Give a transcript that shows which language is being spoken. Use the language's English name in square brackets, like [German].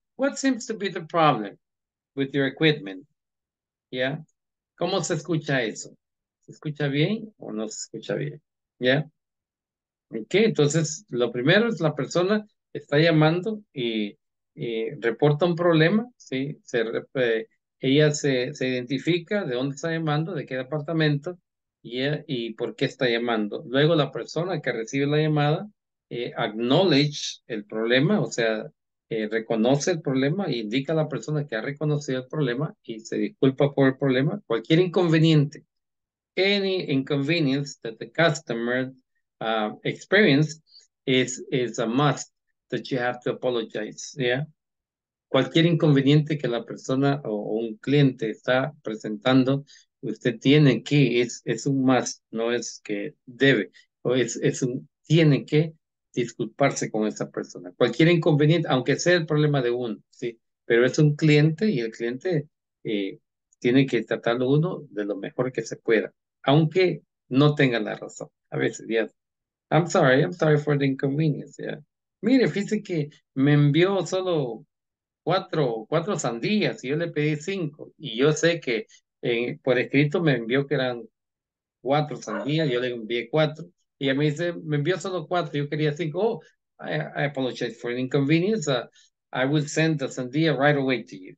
[English] What seems to be the problem with your equipment? Yeah. [Spanish] ¿Cómo se escucha eso? ¿Se escucha bien o no se escucha bien? [English] Yeah. [Spanish] Okay, entonces lo primero es la persona está llamando y reporta un problema, ¿sí? Ella se identifica de dónde está llamando, de qué departamento y por qué está llamando. Luego la persona que recibe la llamada acknowledge el problema, o sea, reconoce el problema e indica a la persona que ha reconocido el problema y se disculpa por el problema. Cualquier inconveniente, [English] any inconvenience that the customer experienced is a must that you have to apologize. Yeah? [Spanish] Cualquier inconveniente que la persona o un cliente está presentando, usted tiene que, es un must, no es que debe, o es un tiene que disculparse con esa persona. Cualquier inconveniente, aunque sea el problema de uno, sí, pero es un cliente y el cliente tiene que tratarlo uno de lo mejor que se pueda, aunque no tenga la razón. A veces, yes. [English] I'm sorry for the inconvenience. Yeah. [Spanish] Mire, fíjese que me envió solo cuatro sandías y yo le pedí cinco. Y yo sé que por escrito me envió que eran cuatro sandías, yo le envié cuatro. Y a mí dice, me envió solo cuatro, yo quería cinco. [English] Oh, I apologize for the inconvenience. I will send the sandía right away to you.